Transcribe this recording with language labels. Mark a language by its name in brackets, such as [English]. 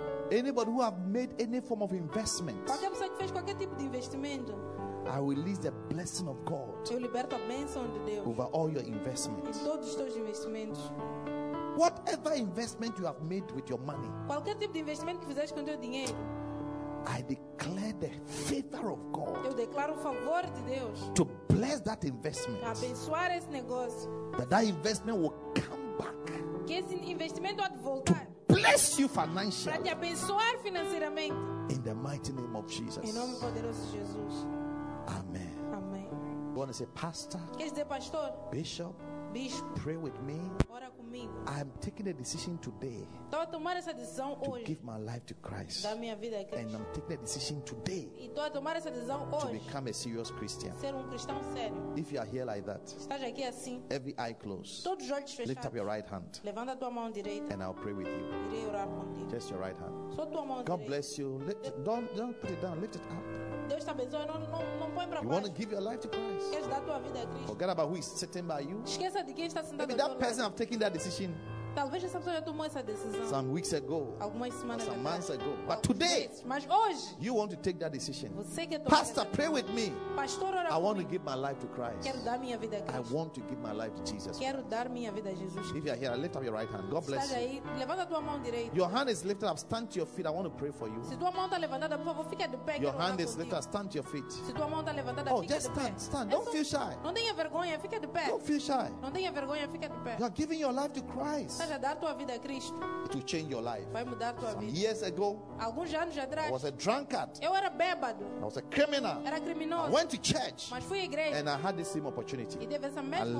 [English] Anybody who have made any form of investment, [Portuguese] qualquer pessoa que fez qualquer tipo de investimento, [English] I release the blessing of God. [Portuguese] Eu liberto a bênção de Deus [English] over all your investments. [Portuguese] Em todos os teus investimentos. [English] Whatever investment you have made with your money, [Portuguese] qualquer tipo de investimento que fizeste com teu dinheiro, [English] I declare the favor of God. [Portuguese] Eu declaro o favor de Deus. [English] To bless that investment. [Portuguese] Para abençoar esse negócio. [English] That investment will come back. [Portuguese] Que esse investimento há de voltar. [English] Bless you financially. [Portuguese] Para te abençoar financeiramente. [English] In the mighty name of Jesus. [Portuguese] Em nome poderoso de Jesus. [English] Amen. [Portuguese] Amém. [English] You want to say, Pastor? [Portuguese] Quer dizer, Pastor? [English] Bishop. [Portuguese] Bispo. [English] Pray with me. [Portuguese] Ora comigo. [English] I am taking a decision today. [Portuguese] Estou a tomar essa decisão [English] to [Portuguese] hoje. [English] To give my life to Christ. [Portuguese] Dar minha vida a Cristo. [English] And I'm taking a decision today. [Portuguese] E estou a tomar essa decisão hoje. [English] To become a serious Christian. [Portuguese] Ser cristão sério. [English] If you are here like that. [Portuguese] Estás aqui assim. [English] Every eye closed. [Portuguese] Todos os olhos fechados. [English] Lift up your right hand. [Portuguese] Levanta a tua mão direita. [English] And I'll pray with you. [Portuguese] Irei orar contigo. [English] Just your right hand. [Portuguese] Só tua mão direita. [English] God bless you. Don't put it down. Lift it up. [Portuguese] Deus te abençoe, não põe para baixo. [English] You want to give your life to Christ? [Portuguese] Queres dar tua vida a Cristo? [English] Forget about who is sitting by you. [Portuguese] Esqueça de quem está sentado ao teu lado. [English] Maybe that person have taken that decision. [Portuguese] Talvez essa pessoa já tomou essa decisão. [English] Some weeks ago. [Portuguese] Algumas semanas atrás. [English] Some months ago. But today. [Portuguese] Mas hoje. [English] You want to take that decision. [Portuguese] Você quer tomar. [English] Pastor, pray with me. [Portuguese] Pastor, ora comigo. [English] I want to give my life to Christ. [Portuguese] Quero dar minha vida a Cristo. [English] I want to give my life to Jesus. [Portuguese] Quero dar minha vida a Jesus. [English] If you are here, lift up your right hand. God bless you. [Portuguese] Está aí. Levanta a tua mão direita. [English] Your hand is lifted up. Stand to your feet. I want to pray for you. [Portuguese] Se tua mão está levantada, por favor, fique de pé. [English] Your hand is lifted up. Stand to your feet. [Portuguese] Se tua mão está levantada, [English] oh, just stand. Don't feel shy. [Portuguese] Não tenha vergonha. Fique de pé. [English] Don't feel shy. [Portuguese] Não tenha vergonha. Fique de pé. [English] You are giving your life to Christ. [Portuguese] Estás a dar tua vida a Cristo. [English] It will change your life. [Portuguese] Vai mudar tua [English] Some [Portuguese] vida. [English] Years ago, [Portuguese] alguns anos atrás, [English] I was a drunkard. [Portuguese] Eu era bêbado. [English] I was a criminal. [Portuguese] Era criminoso. [English] I went to church. [Portuguese] Mas fui à igreja. [English] And I had the same opportunity. [Portuguese] E teve essa mesma